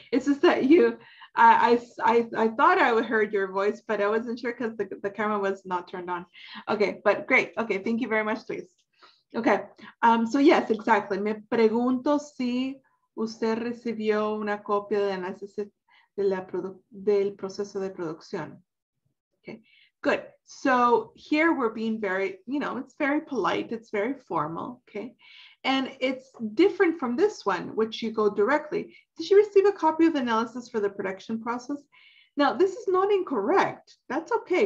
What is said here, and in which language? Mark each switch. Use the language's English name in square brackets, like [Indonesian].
[English] It's just that you, I thought I heard your voice, but I wasn't sure because the camera was not turned on. Okay, but great. Okay, thank you very much, Luis. Okay, so yes, exactly. [Spanish] Me pregunto si usted recibió una copia de la del proceso de producción. [English] Okay, good. So here we're being very, you know, it's very polite. It's very formal. Okay. And it's different from this one, which you go directly. Did you receive a copy of the analysis for the production process? Now, this is not incorrect. That's okay.